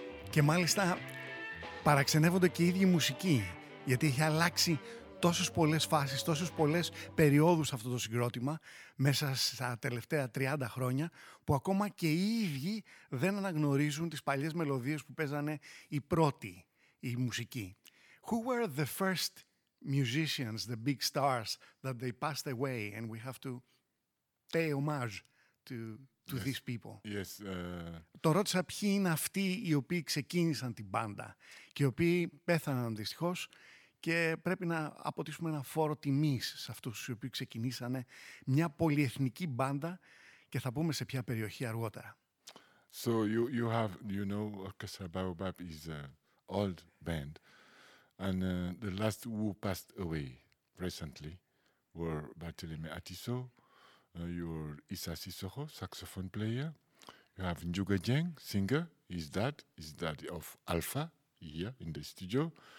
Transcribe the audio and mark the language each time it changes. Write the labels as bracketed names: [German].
[Greek] Και μάλιστα παραξενεύονται και οι ίδιοι μουσικοί, γιατί έχει αλλάξει τόσες πολλές φάσεις, τόσες πολλές περιόδους αυτό το συγκρότημα μέσα στα τελευταία 30 χρόνια, που ακόμα και οι ίδιοι δεν αναγνωρίζουν τις παλιές μελωδίες που παίζανε οι πρώτοι, οι μουσικοί. [English] Who were the first musicians, the big stars that they passed away and we have to pay homage to yes. these people? Yes, [Greek] Το ρώτησα ποιοι είναι αυτοί οι οποίοι ξεκίνησαν την μπάντα και οι οποίοι πέθαναν δυστυχώς. Και πρέπει να αποτίσουμε ένα φόρο τιμής σε αυτούς τους οποίους ξεκινήσανε μια πολυεθνική μπάντα και θα πούμε σε ποια περιοχή αργότερα. [English] So you have, you know, Orchestra Baobab is an old band. And the last who passed away recently were Barthélemy Atiso, your Issa Sissoko, saxophone player. You have Njuga Jeng, singer. He's that of Alpha here in the studio.